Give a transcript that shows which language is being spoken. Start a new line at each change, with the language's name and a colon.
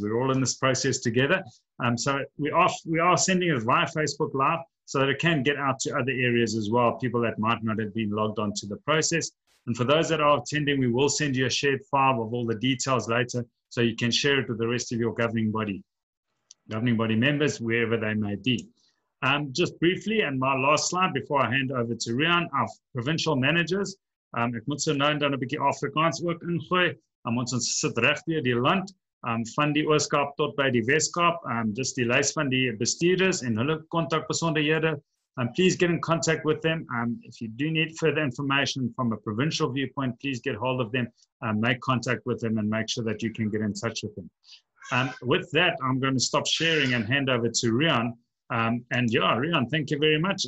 English: We're all in this process together. So we are sending it via Facebook Live so that it can get out to other areas as well, people that might not have been logged on to the process. And for those that are attending, we will send you a shared file of all the details later so you can share it with the rest of your governing body members, wherever they may be. Just briefly, and my last slide before I hand over to Riaan, our provincial managers,
Afrikaans: ek moet so nou dan 'n bietjie Afrikaans ook ingooi, ons sit reg deur die land, van die Oos-Kaap tot by die Wes-Kaap, just die lys van die bestuurders en hulle kontakbesonderhede.
English: And please get in contact with them. If you do need further information from a provincial viewpoint, please get hold of them and make contact with them and make sure that you can get in touch with them. With that, I'm going to stop sharing and hand over to Riaan. And yeah, Riaan, thank you very much.